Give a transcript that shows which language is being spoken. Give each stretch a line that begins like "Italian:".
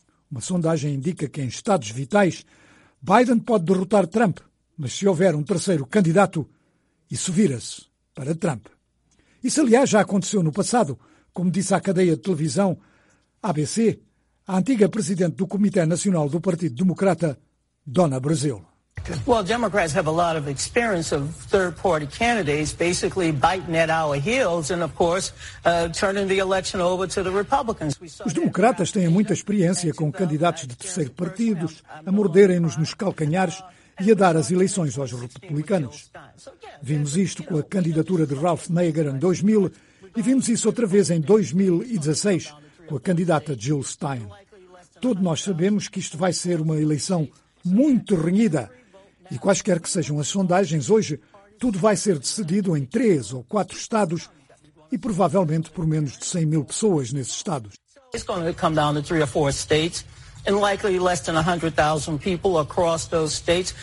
Portuguese: Uma sondagem indica que, em estados vitais, Biden pode derrotar Trump, mas se houver um terceiro candidato, isso vira-se para Trump. Isso, aliás, já aconteceu no passado. Como disse à cadeia de televisão ABC, a antiga presidente do Comitê Nacional do Partido Democrata, Donna Brazile.
English: Well, Democrats have a lot of experience of third-party candidates basically biting at our heels and, of course, turning the election over to the Republicans.
Portuguese: Os democratas têm muita experiência com candidatos de terceiro partido a morderem-nos nos calcanhares e a dar as eleições aos republicanos. Vimos isto com a candidatura de Ralph Nader em 2000 e vimos isso outra vez em 2016 com a candidata Jill Stein. Todos nós sabemos que isto vai ser uma eleição muito renhida. E quaisquer que sejam as sondagens hoje, tudo vai ser decidido em 3 ou 4 estados e provavelmente por menos de 100 mil pessoas nesses estados.
English: It's going to come down to 3 or 4 states and likely less than 100,000 people across those states.